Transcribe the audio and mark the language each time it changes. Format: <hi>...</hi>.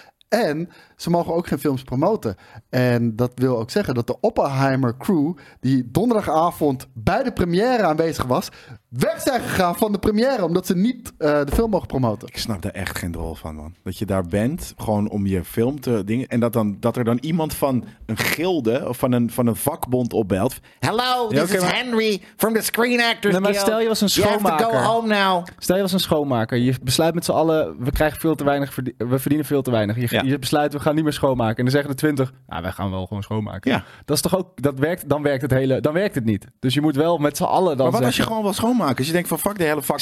<nl>En ze mogen ook geen films promoten. En dat wil ook zeggen dat de Oppenheimer crew, die donderdagavond bij de première aanwezig was, weg zijn gegaan van de première, omdat ze niet de film mogen promoten. Ik snap daar echt geen rol van, man. Dat je daar bent, gewoon om je film te dingen. En dat er dan iemand van een gilde of van een vakbond opbelt.</nl> <en>Hello, this is Henry from the Screen Actors Guild.</en> <nl>Maar stel je was een schoonmaker.</nl> <en>You have to go home now.</en> <nl>Stel je was een schoonmaker. Je besluit met z'n allen, we verdienen veel te weinig. Je besluit, we gaan niet meer schoonmaken. En dan zeggen de 20, wij gaan wel gewoon schoonmaken. Ja. Dat is toch ook, dat werkt, dan werkt het niet. Dus je moet wel met z'n allen dan. Maar wat zeggen, als je gewoon wil schoonmaken? Als je denkt van fuck de hele vakbond.</nl>